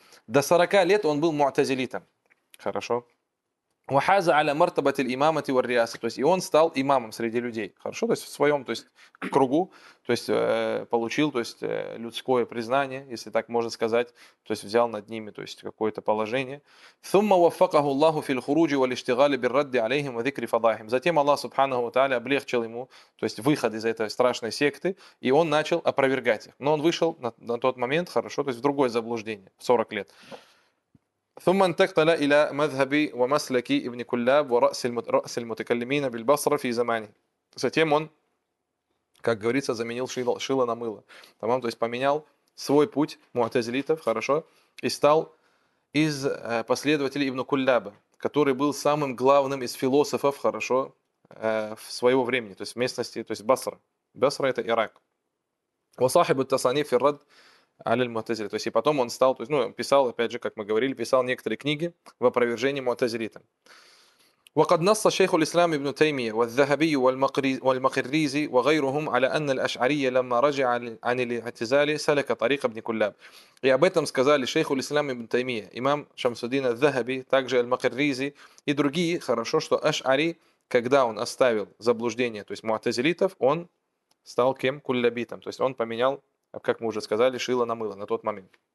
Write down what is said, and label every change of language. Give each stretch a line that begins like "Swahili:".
Russian: До 40 лет он был муътазилитом. Хорошо.
Arabic: وحاز على مرتبة الإمامة والرئاسة.
Russian: То есть и он стал имамом среди людей. Хорошо, то есть в своем, то есть кругу, то есть получил, то есть людское признание, если так можно сказать, то есть взял над ними, то есть какое-то положение.
Arabic: ثم وفقه الله في الخروج والاشتغال بالرد عليهم وذكر فضائحهم.
Russian: Затем Аллах Субханаху ва Тааля облегчил ему, то есть выход из этой страшной секты, и он начал опровергать их. Но он вышел на тот момент, хорошо, то есть в другое заблуждение, 40 лет.
Arabic: ثم انتقل الى مذهب ومسلك ابن كلاب ورأس المتكلمين بالبصرة في زمانه.
Russian: Затем он, как говорится, заменил шило на мыло. Тамам, то есть поменял свой путь муътазилитов, хорошо, и стал из последователей ибн Кулляба, который был самым главным из философов, хорошо, в своего времени, то есть в местности, то есть Басра. Басра — это Ирак.
Arabic: وصاحب التصانيف في الرد على المعتزلة.
Russian: То есть и потом он стал, то есть, ну, писал, опять же, как мы говорили, писал некоторые книги в опровержении муътазилитам.
Arabic: وقد نص شيخ الإسلام ابن تيمية والذهبي والمقريزي وغيرهم على أن الأشعرية لما رجع عن الاعتزال سلك طريق ابن كلاب.
Russian: И об этом сказали шейх الإسلام ابن تيمية, имам Шамсуддин аль-Захаби, также аль-Макрризи и другие, хорошо, что Ашари, когда он оставил заблуждение, то есть муътазилитов, он стал кем? Куллабитом. То есть он поменял, как мы уже сказали, шило на мыло на тот момент.